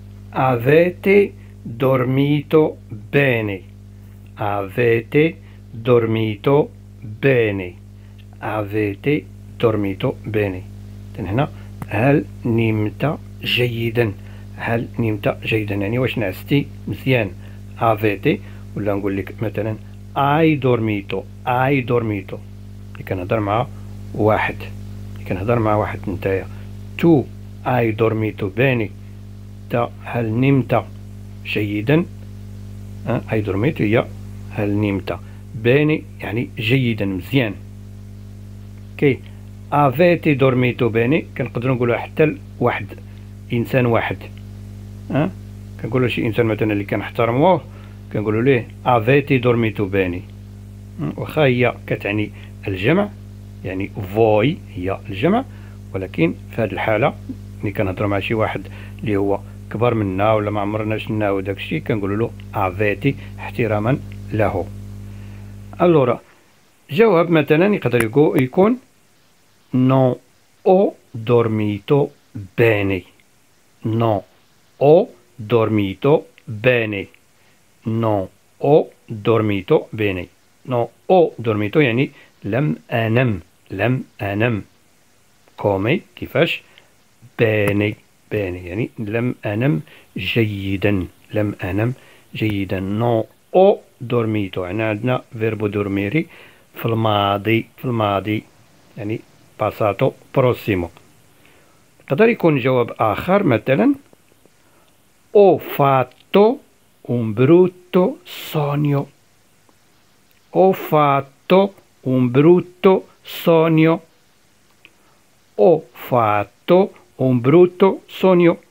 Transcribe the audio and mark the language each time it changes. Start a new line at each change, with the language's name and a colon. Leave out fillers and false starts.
Italian: avete dormito bene، avete dormito bene، avete dormito bene.
Arabic: إذن هنا هل نمت جيدا، هل نمت جيدا يعني واش نعستي مزيان.
Italian: avete،
Arabic: ولا نقول لك مثلا
Italian: I dormito،
Arabic: I dormito اللي كنهضر مع واحد، اللي كنهضر مع واحد نتايا. تو
Italian: I dormito bene،
Arabic: تا هل نمت جيدا.
Italian: I dormito
Arabic: هي هل نمت،
Italian: bene
Arabic: يعني جيدا مزيان. كي
Italian: avete dormito bene
Arabic: كنقدروا نقولوا حتى لواحد، انسان واحد. كنقولوا شي انسان مثلا اللي كنحترموه كنقولوا ليه
Italian: avete dormito bene.
Arabic: واخا هي كتعني الجمع يعني
Italian: voi
Arabic: هي الجمع، ولكن في هذه الحاله ملي كنهضروا مع شي واحد اللي هو كبر منا ولا ما عمرنا شفناه وداك الشيء كنقولوا له
Italian: avete
Arabic: احتراما له. الورا جواب مثلا يقدر يكون
Italian: non ho dormito bene، non ho dormito bene، non ho dormito bene، non ho dormito
Arabic: يعني لم انام، لم انام.
Italian: come
Arabic: كيفاش،
Italian: bene، bene
Arabic: يعني لم انام جيدا، لم انام جيدا.
Italian: non ho dormito
Arabic: يعني عندنا
Italian: verbo dormire
Arabic: في الماضي، في الماضي يعني
Italian: passato prossimo.
Arabic: قدر يكون جواب آخر مثلا
Italian: ho fatto un brutto sogno، ho fatto un brutto sogno، ho fatto un brutto sogno.